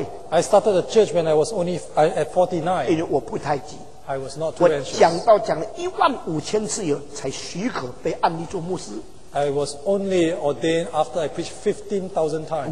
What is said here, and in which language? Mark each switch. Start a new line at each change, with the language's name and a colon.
English: I started a church when I was only at 49. I was not too anxious.
Chinese: 我讲到讲了15,000次以后才许可被安利做牧师。
English: I was only ordained after I preached 15,000 times.